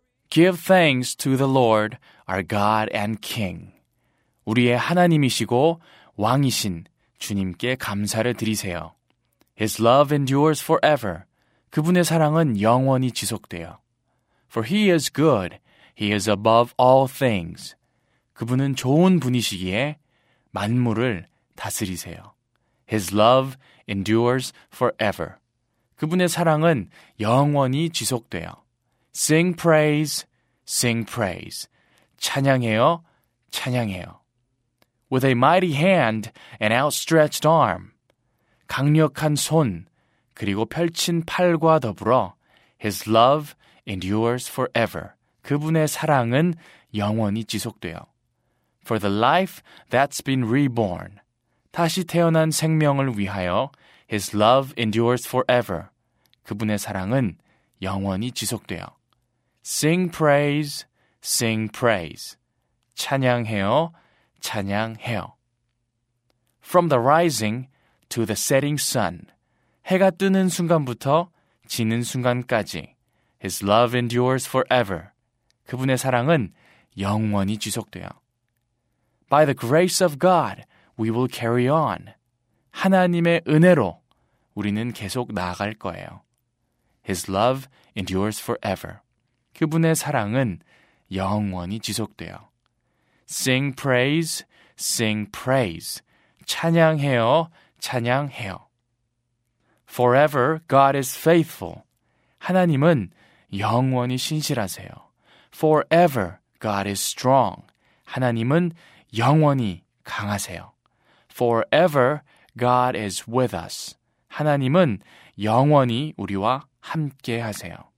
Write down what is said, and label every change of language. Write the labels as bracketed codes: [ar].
[en] 'Give thanks to the Lord, our God and King.' [ko] 우리의 하나님이시고 왕이신 주님께 감사를 드리세요. [en] His love endures forever. [ko] 그분의 사랑은 영원히 지속돼요. [en] For he is good, he is above all things. [ko] 그분은 좋은 분이시기에 만물을 다스리세요. [en] His love endures forever. [ko] 그분의 사랑은 영원히 지속돼요. [en] Sing praise, sing praise. [ko] 찬양해요, 찬양해요. [en] With a mighty hand and outstretched arm. [ko] 강력한 손, 그리고 펼친 팔과 더불어 [en] His love endures forever. [ko] 그분의 사랑은 영원히 지속돼요. [en] For the life that's been reborn. [ko] 다시 태어난 생명을 위하여 [en] His love endures forever. [ko] 그분의 사랑은 영원히 지속돼요. [en] Sing praise, sing praise. [ko] 찬양해요, 찬양해요. [en] From the rising to the setting sun. [ko] 해가 뜨는 순간부터 지는 순간까지 [en] His love endures forever. [ko] 그분의 사랑은 영원히 지속돼요. [en] By the grace of God, we will carry on. [ko] 하나님의 은혜로 우리는 계속 나아갈 거예요. [en] His love endures forever. [ko] 그분의 사랑은 영원히 지속돼요. [en] Sing praise, sing praise. [ko] 찬양해요, 찬양해요. [en] Forever God is faithful. [ko] 하나님은 영원히 신실하세요. [en] Forever God is strong. [ko] 하나님은 영원히 강하세요. [en] Forever God is with us. [ko] 하나님은 영원히 우리와 함께 하세요.